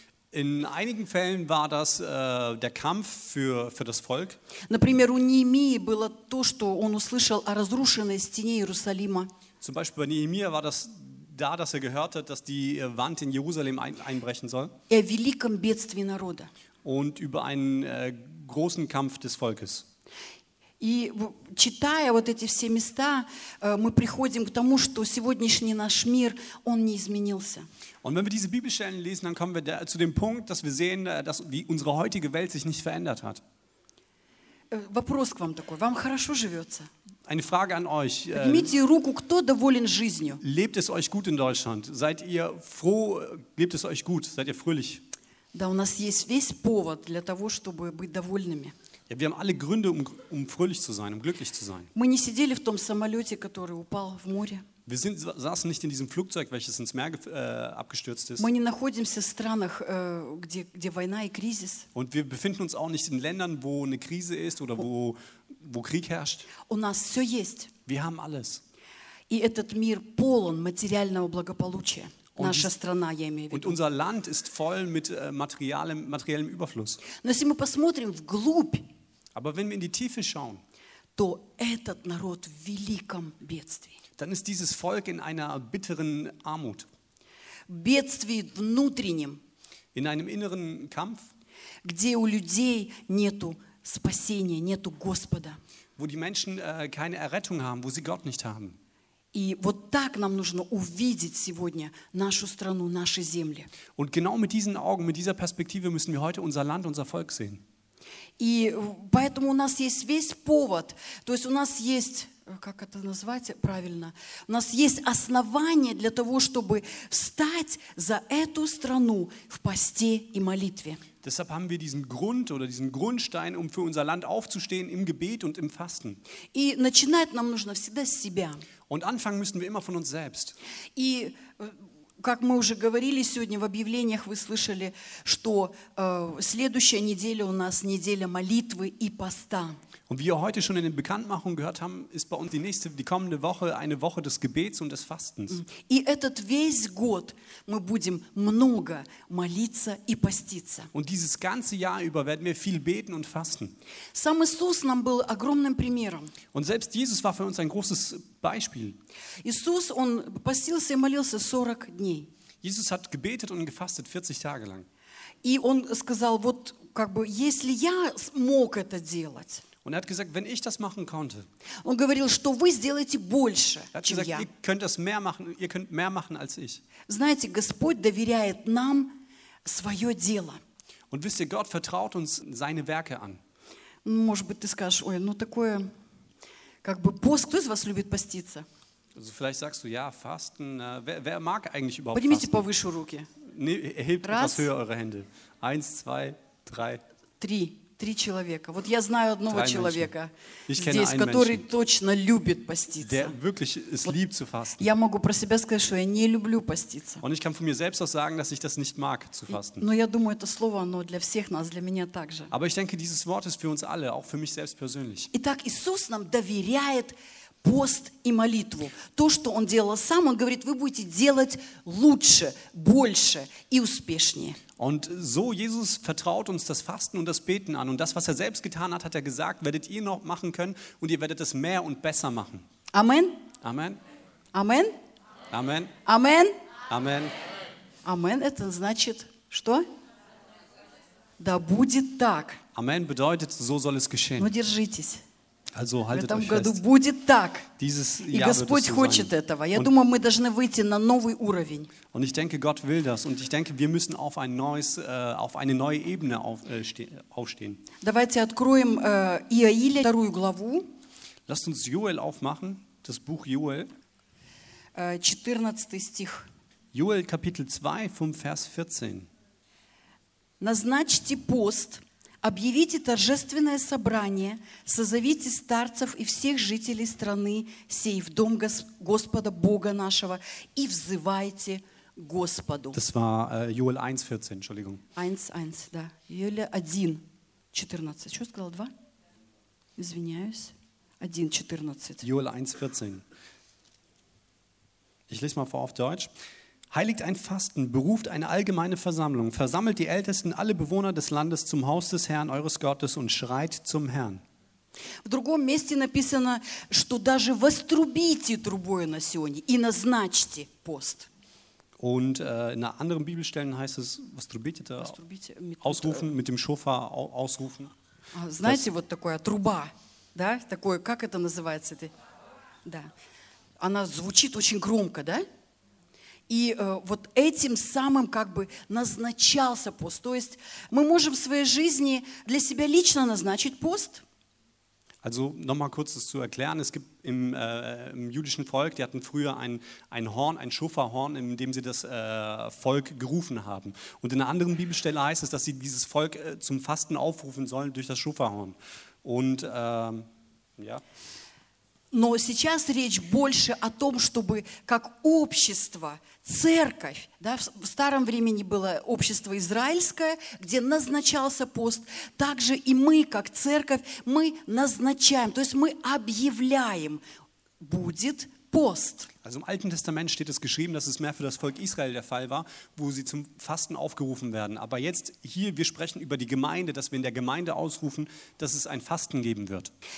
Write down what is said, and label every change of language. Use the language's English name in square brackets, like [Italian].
[German] In einigen Fällen war das der Kampf für das Volk. [Russian] Например, у Неемии было то, что он услышал о разрушенной стене Иерусалима. [German] Zum Beispiel bei Nehemia war das da, dass er gehört hat, dass die Wand in Jerusalem einbrechen soll. [Russian] О великом бедствии народа. [German] Und über einen großen Kampf des Volkes. [Russian] И читая вот эти все места, мы приходим к тому, что сегодняшний наш мир, он не изменился. [German] Und wenn wir diese Bibelstellen lesen, dann kommen wir zu dem Punkt, dass wir sehen, dass unsere heutige Welt sich nicht verändert hat. [Russian] Вопрос к вам такой: вам хорошо живется? [German] Eine Frage an euch. [Russian] Поднимите руку, кто доволен жизнью? [German] Lebt es euch gut in Deutschland? Seid ihr froh? Lebt es euch gut? Seid ihr fröhlich? [Russian] Да, у нас есть весь повод для того, чтобы быть довольными. [German] Ja, wir haben alle Gründe, um fröhlich zu sein, um glücklich zu sein. [Russian] Мы не сидели в том самолете, который упал в море. [German] Wir saßen nicht in diesem Flugzeug, welches ins Meer abgestürzt ist. [Russian] Мы не находимся в странах, где война и кризис. [German] Und wir befinden uns auch nicht in Ländern, wo eine Krise ist oder wo Krieg herrscht. [Russian] У нас все есть. [German] Wir haben alles. [Russian] И этот мир полон материального благополучия. Наша страна, я имею в виду. [German] Und unser Land ist voll mit materiellem Überfluss. [Russian] Но если мы посмотрим вглубь, [German] aber wenn wir in die Tiefe schauen, [Russian] то этот народ в великом бедствии. [German] Dann ist dieses Volk in einer bitteren Armut. [Russian] В бедствии внутреннем. [German] In einem inneren Kampf. [Russian] Где у людей нету спасения, нету Господа. [German] Wo die Menschen keine Errettung haben, wo sie Gott nicht haben. [Russian] И вот так нам нужно увидеть сегодня нашу страну, наши земли. [German] Und genau mit diesen Augen, mit dieser Perspektive müssen wir heute unser Land, unser Volk sehen. [Russian] И поэтому у нас есть весь повод, то есть у нас есть, как это назвать правильно, у нас есть основания для того, чтобы встать за эту страну в посте и молитве. [German] Deshalb haben wir diesen Grund oder diesen Grundstein, um für unser Land aufzustehen im Gebet und im Fasten. [Russian] И начинать нам нужно всегда с себя. [German] Und anfangen müssen wir immer von uns selbst. [Russian] И как мы уже говорили сегодня в объявлениях, вы слышали, что следующая неделя у нас неделя молитвы и поста. [German] Und wie wir heute schon in den Bekanntmachungen gehört haben, ist bei uns die kommende Woche eine Woche des Gebets und des Fastens. [Russian] И этот весь год мы будем много молиться и поститься. [German] Und dieses ganze Jahr über werden wir viel beten und fasten. [Russian] Сам Иисус нам был огромным примером. [German] Und selbst Jesus war für uns ein großes Beispiel. [Russian] Иисус, он постился и молился 40 дней. [German] Jesus hat gebetet und gefastet 40 Tage lang. [Russian] И он сказал, вот как бы, если я мог это делать. [German] Und er hat gesagt, wenn ich das machen konnte. [Russian] Он говорил, что вы сделаете больше, чем я. [German] Er hat gesagt, ihr könnt das mehr machen, ihr könnt mehr machen als ich. [Russian] Знаете, Господь доверяет нам свое дело. [German] Und wisst ihr, Gott vertraut uns seine Werke an. [Russian] Может быть, ты скажешь, ой, ну такое, как бы пост, кто из вас любит поститься? [German] Also vielleicht sagst du, ja, Fasten, wer mag eigentlich überhaupt [Russian] поднимите [German] Fasten? [Russian] Поднимите повыше руки. [German] Nee, erhebt etwas höher eure Hände. Eins, zwei, drei. [Russian] Три. Три человека. Вот я знаю одного человека здесь, который точно любит поститься. Я могу про себя сказать, что я не люблю поститься. [German] Und ich kann von mir selbst auch sagen, dass ich das nicht mag zu fasten. [Russian] Но я думаю, это слово, оно для всех нас, для меня также. [German] Aber ich denke, dieses Wort ist für uns alle, auch für mich selbst persönlich. [Russian] Итак, Иисус нам доверяет пост и молитву. То, что Он делал сам, Он говорит, вы будете делать лучше, больше и успешнее. [German] Und so Jesus vertraut uns das Fasten und das Beten an. Und das, was er selbst getan hat, hat er gesagt, werdet ihr noch machen können und ihr werdet es mehr und besser machen. Amen. Amen. Amen. Amen. Amen. Amen. Amen. Amen. [Russian] Amen. Это значит, что? Да будет так. [German] Amen bedeutet, so soll es geschehen. [Russian] Ну, держитесь. [German] Also, [Russian] в этом году будет так. [German] Dieses, [Russian] и Господь [German] so [Russian] хочет [German] sein. [Russian] Этого. Я und, думаю, мы должны выйти на новый уровень. [German] Und ich denke, Gott will das. Und ich denke, wir müssen auf ein neues, auf eine neue Ebene aufstehen. [Russian] Давайте откроем Иоиле вторую главу. [German] Lasst uns Joel aufmachen, das Buch Joel. [Russian] 14 стих. [German] Joel, Kapitel 2, vom Vers 14. [Russian] Назначьте пост. Объявите торжественное собрание, созовите старцев и всех жителей страны сей в дом Господа Бога нашего и взывайте Господу. [German] Das war Joel 1:14, Entschuldigung. [Russian] 1:1, да. Joel 1:14. Что сказал 2? Извиняюсь. 1:14. Joel 1:14. [German] Ich lese mal vor auf Deutsch. Heiligt ein Fasten, beruft eine allgemeine Versammlung, versammelt die Ältesten, alle Bewohner des Landes zum Haus des Herrn, eures Gottes und schreit zum Herrn. [Russian] В другом месте написано, что даже вострубите трубою на Сионе и назначьте пост. [German] Und in anderen Bibelstellen heißt es, вострубите, ausrufen, mit dem Schofar ausrufen. [Russian] Знаете, вот такое, труба, да, такое, как это называется? Это? Да. Она звучит очень громко, да? И вот этим самым как бы назначался пост. То есть мы можем в своей жизни для себя лично назначить пост. [German] Also nochmal kurz das zu erklären. Es gibt im jüdischen Volk, die hatten früher ein Horn, ein Schofarhorn, in dem sie das Volk gerufen haben. Und in einer anderen Bibelstelle heißt es, dass sie dieses Volk zum Fasten aufrufen sollen durch das Schofarhorn. Und ja. [Russian] Но сейчас речь больше о том, чтобы как общество, церковь, да, в старом времени было общество израильское, где назначался пост, также и мы, как церковь, мы назначаем, то есть мы объявляем, будет пост. [German] Also im Alten Testament steht es geschrieben, dass es mehr für das Volk Israel der Fall war, wo sie zum Fasten aufgerufen werden. Aber jetzt hier, wir sprechen über die Gemeinde, dass wir in der Gemeinde ausrufen, dass es ein Fasten geben wird.